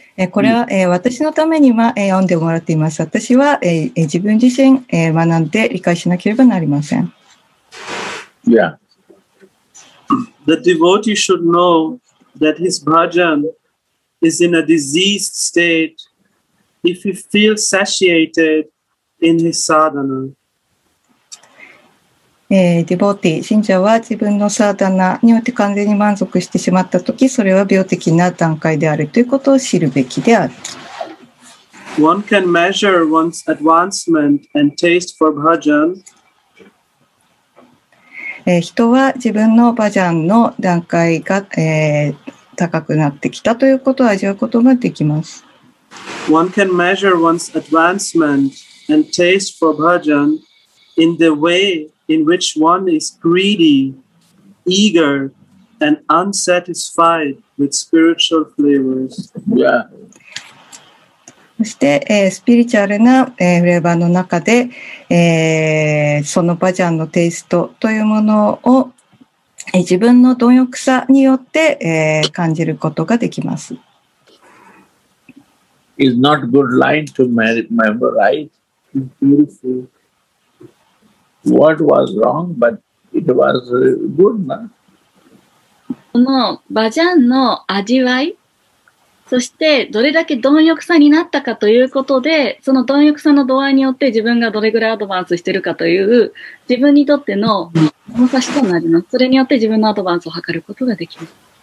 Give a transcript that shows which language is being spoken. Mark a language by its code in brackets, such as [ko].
[ja] これは、私のために今、読んでもらっています。私は、自分自身、学んで理解しなければなりません。 [en] Yeah. The devotee should know that his bhajan is in a diseased state if he feels satiated in his sadhana. [ja] ディボーティー、信者は自分のサーダナによって完全に満足してしまったとき、それは病的な段階であるということを知るべきである。 [en] One can measure one's advancement and taste for bhajan. [ja] 人は自分のバジャンの段階が、高くなってきたということを味わうことができます。 [en] One can measure one's advancement and taste for bhajan in the wayin which one is greedy, eager, and unsatisfied with spiritual flavors. Yeah. [ja] そして、スピリチュアルな、フレーバーの中で、そのバジャンのテイストというものを、自分の貪欲さによって、感じることができます。 [en] It's not good line to remember, right? It's beautiful. What was wrong, but it was good, na? [ja] このバジャンの味わい、そしてどれだけ貪欲さになったかということで、その貪欲さの度合いによって自分がどれぐらいアドバンスしているかという、自分にとっての物差しとなります。それによって自分のアドバンスを測ることができます。